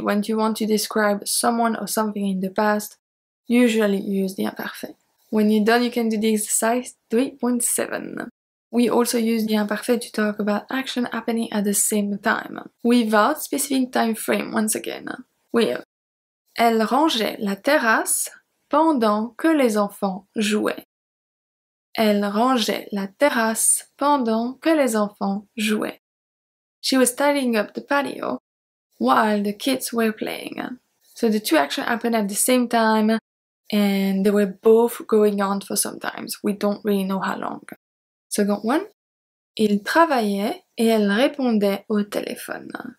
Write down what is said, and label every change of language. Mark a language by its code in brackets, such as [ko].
[en] When you want to describe someone or something in the past, usually use the imparfait. When you're done, you can do the exercise 3.7. We also use the imparfait to talk about action happening at the same time, without specific time frame, once again. We have [fr] elle rangeait la terrasse pendant que les enfants jouaient. Elle rangeait la terrasse pendant que les enfants jouaient. [en] She was tidying up the patio while the kids were playing. So the two actions happened at the same time, and they were both going on for some time. We don't really know how long. Second one. [fr] Il travaillait et elle répondait au téléphone.